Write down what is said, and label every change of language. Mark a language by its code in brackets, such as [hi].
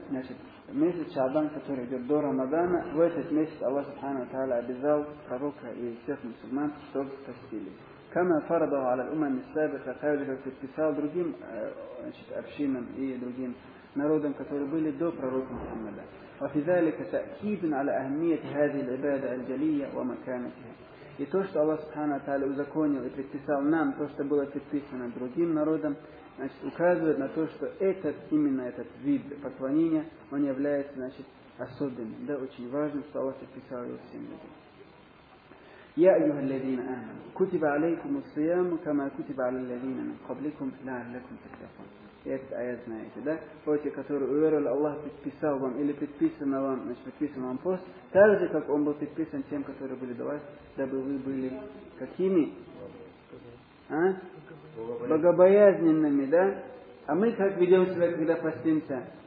[ru] Значит, месяц Шаабан, который идет до Рамадана, в этот месяц Аллах Субхану ва Тааля обязал пророка и всех мусульман, чтобы постились. Кама фарадаху аля умам ас-сабиха, также как предписал другим, значит, общинам и другим народам, которые были до пророка Мухаммада. [ar] وفذلك تأكيد على أهمية هذه العبادة الجلية ومكانتها. [ru] И то, что Аллах Субхана ва Тааля узаконил и предписал нам то, что было предписано другим народам, значит, указывает на то, что этот, именно этот вид поклонения, он является, значит, особенным, да, очень важным, что Аллах предписал его всем людям. [ar] Я أيها الذين آمنوا كتب عليكم الصيام كما كتب على الذين من قبلكم لعلكم تتقون. [ru] Этот аят знаете, да? Вот те, которые уверовали, Аллах предписал вам или предписан вам, значит, предписан вам пост, так же, как он был предписан тем, которые были до вас, дабы вы были какими? А? Богобоязненными, да? А мы как ведем себя, когда постимся?